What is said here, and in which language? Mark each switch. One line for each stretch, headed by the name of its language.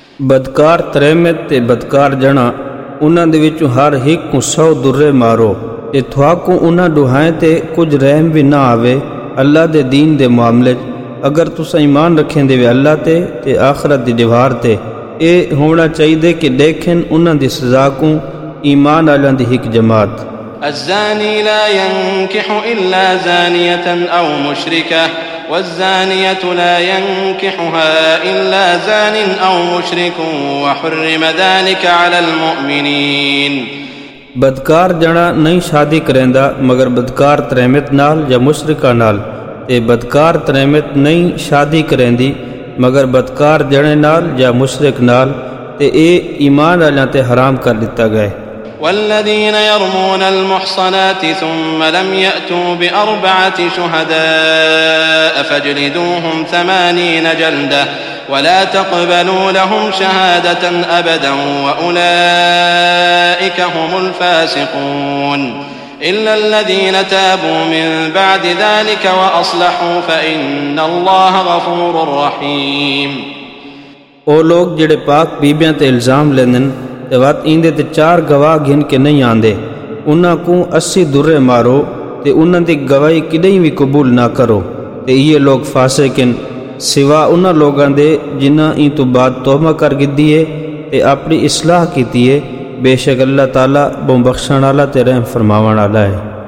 Saraiki: بدکار تریمت تے بدکار جنا انہاں دے وچوں ہر ایک کو 100 درے مارو تے تھوا کو انہاں ڈوہائیں تے کچھ رحم بھی نہ آوے اللہ دے دین دے معاملے۔ اگر تسا ایمان رکھیں دے اللہ تے تے آخرت دی دیوار تے، اے ہونا چاہی دے کہ دیکھیں انہاں دی سزا کو ایمان آلان دی ایک جماعت۔
Arabic: الزانی لا ينكح الا زانية او مشركة والزانية لا ينكحها الا زان او مشرك وحرم ذلك على المؤمنين۔
Saraiki: بدکار جنا نہیں شادی کریندا مگر بدکار تریمت نال یا مشرکہ نال، اے بدکار تریمت نہیں شادی کریندی مگر بدکار جنے نال یا مشرک نال، تے اے ایمان والیاں تے حرام کر دیتا گئے۔
Arabic: والذين يرمون المحصنات ثم لم يأتوا بأربعة شهداء فاجلدوهم 80 جلدة ولا تقبلوا لهم شهادة أبدا وأولئك هم الفاسقون۔ إلا الذين تابوا من بعد ذلك وأصلحوا فإن الله غفور رحيم۔
Saraiki: او لوگ جڑے پاک بیبیاں تے الزام لینن تے وقت ایندے تے 4 گواہ گھن کے نہیں آندے، انہاں کو 80 درے مارو تے انہاں دی گواہی کدی وی قبول نہ کرو، تے یہ لوگ فاسقن سوا انہاں لوگاں دے جنہاں ایں تو بعد توبہ کر گدی اے تے اپنی اصلاح کیتی اے، بے شک اللہ تعالیٰ بوں بخشن والا تے رحم فرماون والا ہے۔